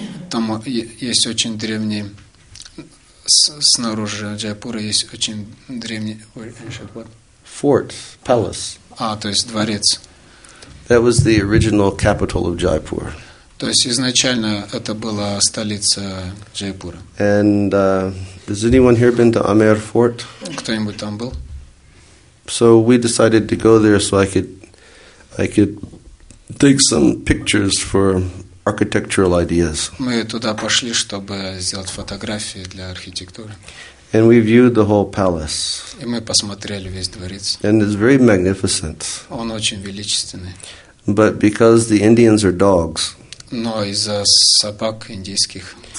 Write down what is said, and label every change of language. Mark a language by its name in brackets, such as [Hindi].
[Russian] Там есть очень древний, снаружи Джайпура есть очень древний [English] fort, palace. [Russian] А, то есть дворец. [English] That was the original capital of Jaipur. [Russian] То есть изначально это была столица Джайпура. [English] And has anyone here been to Amer Fort? [Russian] Кто-нибудь там был? [English] So we decided to go there so I could take some pictures for architectural ideas. [Russian] Мы туда пошли, чтобы сделать фотографии для архитектуры. [English] And we viewed the whole palace. [Russian] И мы посмотрели весь дворец. [English] And it's very magnificent. [Russian] Он очень величественный. [English] But because the Indians are dogs. [Russian] Но из-за собак индийских.